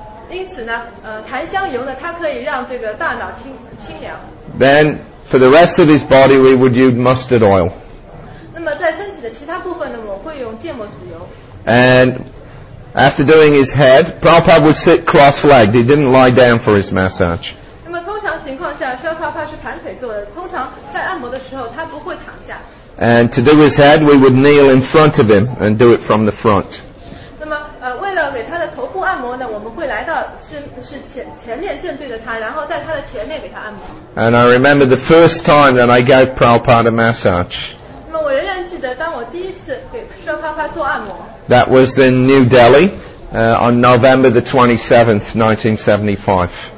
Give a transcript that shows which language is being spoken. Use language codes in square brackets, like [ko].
[zh] 因此呢，檀香油呢，它可以让这个大脑清凉。 [en] Then for the rest of his body, we would use mustard oil. [zh] 那么在身体的其他部分呢，我会用芥末籽油。 [en] And after doing his head, Prabhupada would sit cross-legged. He didn't lie down for his massage. [zh] 情况下，舒帕帕是盘腿坐的。通常在按摩的时候，他不会躺下。 [en] And to do his head, we would kneel in front of him and do it from the front. [zh] 那么，为了给他的头部按摩呢，我们会来到是前面正对着他，然后在他的前面给他按摩。 [en] And I remember the first time that I gave Prabhupada a massage. [zh] 那么我仍然记得，当我第一次给舒帕帕做按摩。 [en] That was in New Delhi, on November the 27th, 1975.